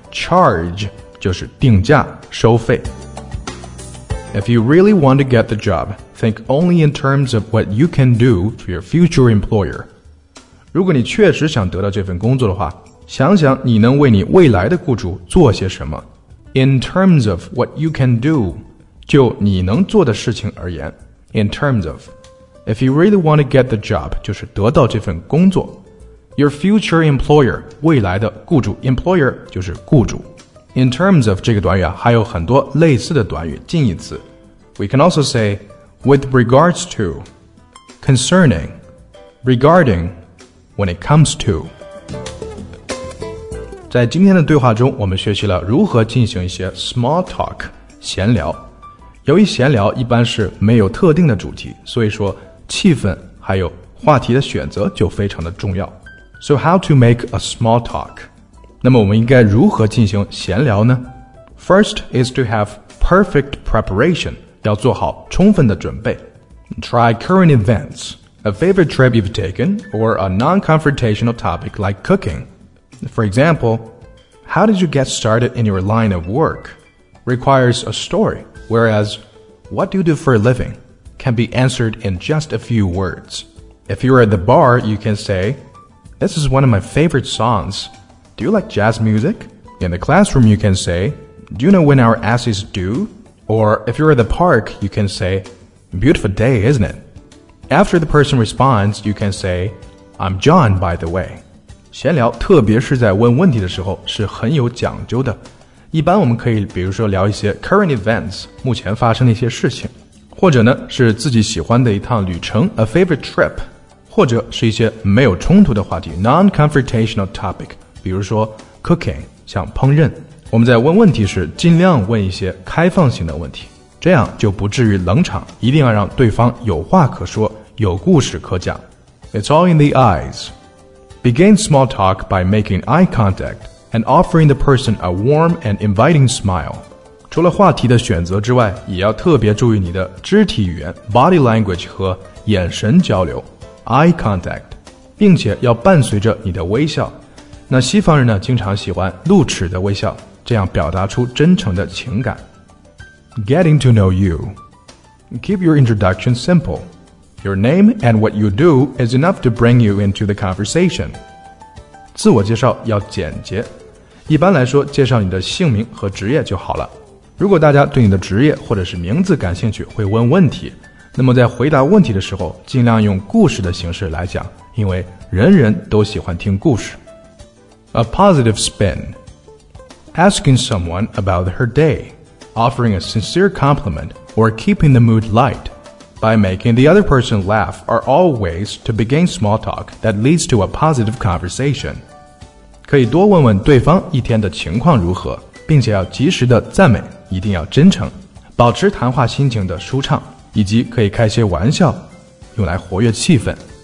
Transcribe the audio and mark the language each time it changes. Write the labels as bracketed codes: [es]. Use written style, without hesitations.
[zh] Charge 就是定价收费。 [en] If you really want to get the job, think only in terms of what you can do for your future employer. [zh] 如果你确实想得到这份工作的话，想想你能为你未来的雇主做些什么。 [en] In terms of what you can do, [zh] 就你能做的事情而言。 [en] In terms of, if you really want to get the job, [zh] 就是得到这份工作。 [en] Your future employer, [zh] 未来的雇主 ,employer 就是雇主。 [en] In terms of [zh] 这个短语啊，还有很多类似的短语近义词。 [en] We can also say with regards to, concerning, regarding, when it comes to. [zh] 在今天的对话中，我们学习了如何进行一些 small talk, 闲聊。由于闲聊一般是没有特定的主题，所以说气氛还有话题的选择就非常的重要。 [en] So how to make a small talk? [zh] 那么我们应该如何进行闲聊呢 [en] ?First is to have perfect preparation, [zh] 要做好充分的准备。 [en] Try current events, a favorite trip you've taken, or a non-confrontational topic like cooking. For example, how did you get started in your line of work? Requires a story, whereas, what do you do for a living? Can be answered in just a few words. If you're at the bar, you can say, this is one of my favorite songs,Do you like jazz music? In the classroom, you can say, Do you know when our ass is due? Or if you're at the park, you can say, Beautiful day, isn't it? After the person responds, you can say, I'm John, by the way. [zh] 闲聊特别是在问问题的时候是很有讲究的。一般我们可以比如说聊一些 [en] current events, [zh] 目前发生的一些事情。或者呢是自己喜欢的一趟旅程 [en] a favorite trip。 [zh] 或者是一些没有冲突的话题 [en] non-confrontational topic。 [zh] 比如说 cooking, 像烹饪。我们在问问题时尽量问一些开放性的问题。这样就不至于冷场一定要让对方有话可说有故事可讲。 It's all in the eyes. Begin small talk by making eye contact and offering the person a warm and inviting smile. 除了话题的选择之外也要特别注意你的肢体语言 [en] body language [zh] 和眼神交流 [en] eye contact, [zh] 并且要伴随着你的微笑。那西方人呢经常喜欢露齿的微笑这样表达出真诚的情感。 [en] Getting to know you. Keep your introduction simple. Your name and what you do is enough to bring you into the conversation. [zh] 自我介绍要简洁。一般来说介绍你的姓名和职业就好了。如果大家对你的职业或者是名字感兴趣，会问问题，那么在回答问题的时候，尽量用故事的形式来讲，因为人人都喜欢听故事。 [en] A positive spin. Asking someone about her day, offering a sincere compliment, or keeping the mood light by making the other person laugh are all ways to begin small talk that leads to a positive conversation. [zh] 可以多问问对方一天的情况如何，并且要及时的赞美，一定要真诚，保持谈话心情的舒畅，以及可以开些玩笑，用来活跃气氛。